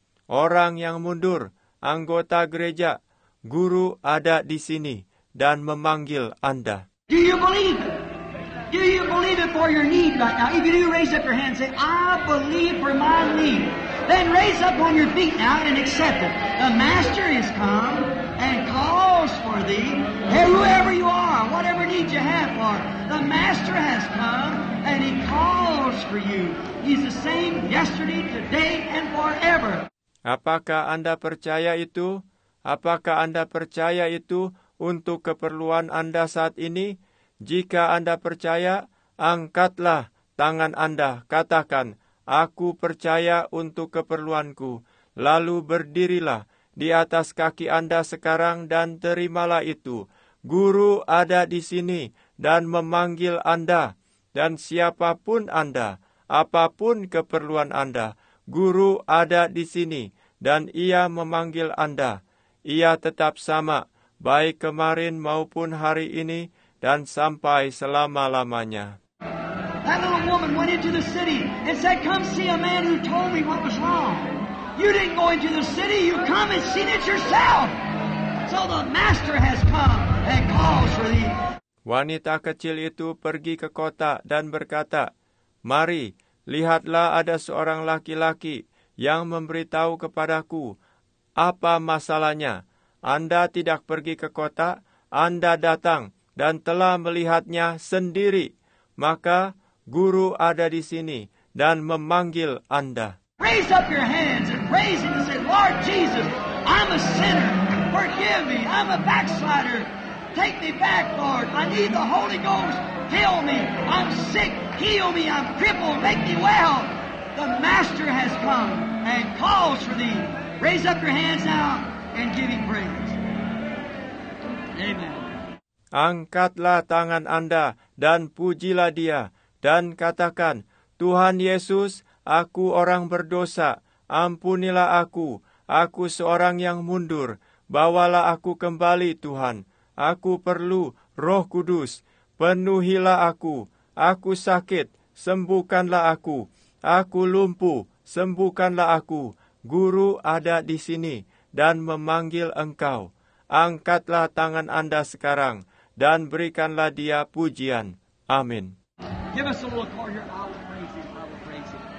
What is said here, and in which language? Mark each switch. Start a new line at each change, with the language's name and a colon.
Indonesian: Orang yang mundur, anggota gereja, guru ada di sini dan memanggil Anda.
English: Do you believe it? Do you believe it for your need right now? If you do, raise up your hand and say, I believe for my need. Then raise up on your feet now and accept it. The Master has come and calls for thee. Hey, whoever you are, whatever need you have for, the Master has come and he calls for you. He's the same yesterday, today, and forever.
Indonesian: Apakah Anda percaya itu? Apakah Anda percaya itu untuk keperluan Anda saat ini? Jika Anda percaya, angkatlah tangan Anda. Katakan, aku percaya untuk keperluanku. Lalu berdirilah di atas kaki Anda sekarang dan terimalah itu. Guru ada di sini dan memanggil Anda. Dan siapapun Anda, apapun keperluan Anda, Guru ada di sini dan Ia memanggil Anda. Ia tetap sama, baik kemarin maupun hari ini, dan sampai selama-lamanya.
English: That little woman went into the city and said, come see a man who told me what was wrong. You didn't go into the city, you come and seen it yourself. So the Master has come and calls for thee.
Indonesian: Wanita kecil itu pergi ke kota dan berkata, mari, lihatlah ada seorang laki-laki yang memberitahu kepadaku apa masalahnya. Anda tidak pergi ke kota, Anda datang dan telah melihatnya sendiri. Maka guru ada di sini dan memanggil Anda.
English: Raise up your hands and raise it and say, Lord Jesus, I'm a sinner. Forgive me. I'm a backslider. Take me back, Lord. I need the Holy Ghost. Heal me. I'm sick. Heal me. I'm crippled. Make me well. The Master has come and calls for thee. Raise up your hands now and give him praise. Amen.
Indonesian: Angkatlah tangan Anda dan pujilah Dia dan katakan, Tuhan Yesus, aku orang berdosa. Ampunilah aku. Aku seorang yang mundur. Bawalah aku kembali, Tuhan. Aku perlu Roh Kudus, penuhilah aku. Aku sakit, sembuhkanlah aku. Aku lumpuh, sembuhkanlah aku. Guru ada di sini dan memanggil engkau. Angkatlah tangan Anda sekarang dan berikanlah Dia pujian. Amin.
English: Give us a little accord here. I will praise you. I will praise you.